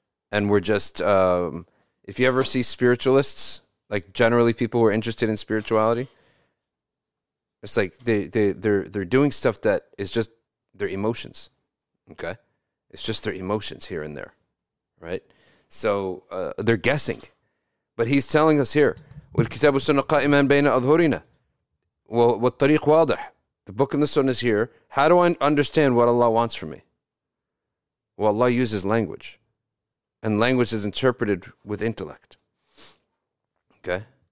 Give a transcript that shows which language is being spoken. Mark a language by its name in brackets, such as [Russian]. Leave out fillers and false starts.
[English] And we're just, if you ever see spiritualists, like generally people who are interested in spirituality, it's like they're doing stuff that is just their emotions, okay? It's just their emotions here and there, right? So they're guessing. But he's telling us here, [Arabic] والكتاب والسنة قائمان بين أظهرنا والطريق واضح. [English] The book and the sunnah is here. How do I understand what Allah wants from me? Well, Allah uses language. And language is interpreted with intellect. Okay?